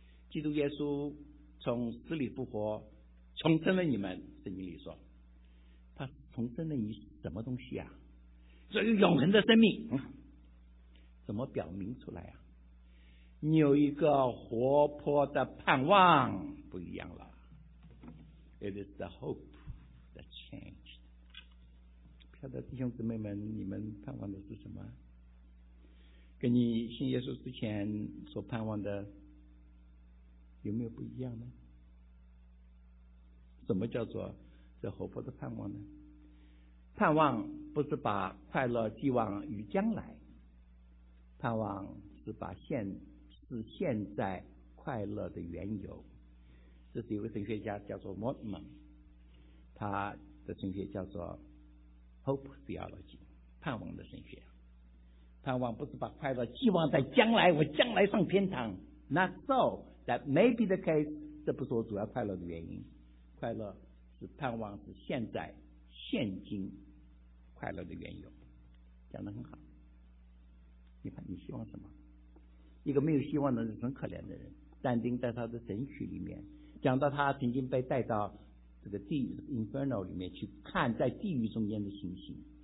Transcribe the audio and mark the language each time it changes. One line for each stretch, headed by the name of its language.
Chinese: 基督耶稣从死里复活，重生了你们，圣经里说他重生了你什么东西啊？这个永恒的生命，怎么表明出来啊？你有一个活泼的盼望，不一样了。
English: It is the hope that changed。
Chinese: 不晓得弟兄姊妹们，你们盼望的是什么？跟你信耶稣之前所盼望的有没有不一样呢？什么叫做这活泼的盼望呢？盼望不是把快乐寄望于将来，盼望是把现在快乐的缘由。这是一位神学家叫做 Mortimer， 他的神学叫做 Hope Theology， 盼望的神学。盼望不是把快乐寄望在将来，我将来上天堂。
English: Not so, that may be the case，
Chinese: 这不是我主要快乐的原因。快乐是盼望是现在现今快乐的缘由，讲得很好。你看，你希望什么？一个没有希望的人是很可怜的人。但丁在他的《神曲》里面讲到，他曾经被带到这个地狱 Inferno 里面去看，在地狱中间的情形。